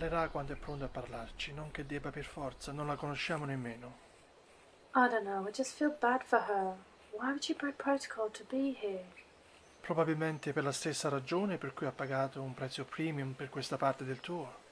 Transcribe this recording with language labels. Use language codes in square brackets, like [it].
[it] Quando è pronta a parlarci, non che debba per forza, non la conosciamo nemmeno. [en] I don't know, I just feel bad for her. Why would she break protocol to be here? [it] Probabilmente per la stessa ragione per cui ha pagato un prezzo premium per questa parte del tour.